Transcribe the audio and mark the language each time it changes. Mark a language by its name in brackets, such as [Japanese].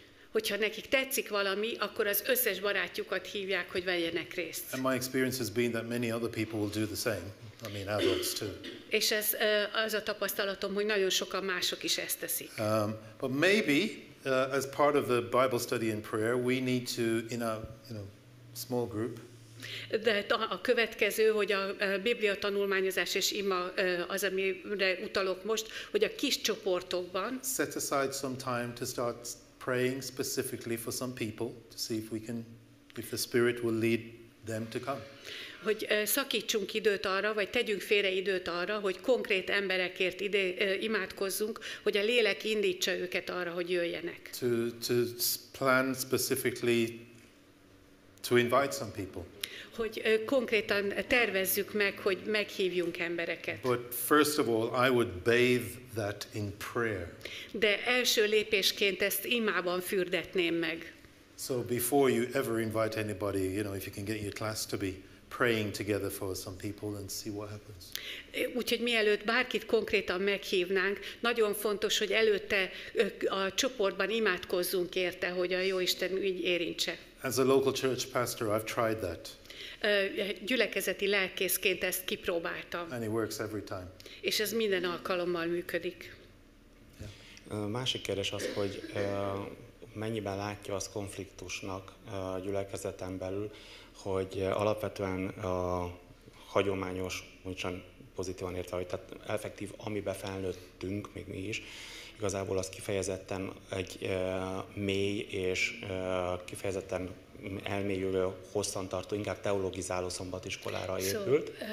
[Hungarian] Hogyha nekik tetszik valami, akkor az összes barátjukat hívják, hogy vegyenek részt. [English] And my experience has been that many other people will do the same. I mean, adults too. [Hungarian] És ez az a tapasztalatom, hogy nagyon sokan mások is ezt teszik. [English] But maybe as part of the Bible study and prayer, we need to in a, you know, small group. [Hungarian] De a következő, hogy a Biblia tanulmányozás és ima az, amire utalok most, hogy a kis csoportokban. [English] Set aside some time to start praying specifically for some people to see if we can, if the Spirit will lead them to come. [Hungarian] Hogy szakítsunk időt arra, vagy tegyünk félre időt arra, hogy konkrét emberekért ide, imádkozzunk, hogy a lélek indítsa őket arra, hogy jöjjenek. [English] To plan specifically to invite some people. [Hungarian] Hogy konkrétan tervezzük meg, hogy meghívjunk embereket. [English] But first of all, I would bathe that in prayer. [Hungarian] De első lépésként ezt imában fürdetném meg. [English] So before you ever invite anybody, you know, if you can get your class to be praying together for some people and see what happens. [Hungarian] Úgyhogy mielőtt bárkit konkrétan meghívnánk, nagyon fontos, hogy előtte a csoportban imádkozzunk érte, hogy a jó Isten így érintse. [English] As a local church pastor, I've tried that. [Hungarian] Gyülekezeti lelkészként ezt kipróbáltam. [English] And it works every time. És ez minden alkalommal működik. Yeah. [Hungarian] Másik kérdés az, hogy mennyiben látja az konfliktusnak a gyülekezeten belül, hogy alapvetően a hagyományos, mondjam pozitívan értve, hogy tehát effektív, amiben felnőttünk, még mi is, igazából az kifejezetten egy mély és kifejezetten elmélyülő, hosszantartó, inkább teologizáló szombatiskolára épült.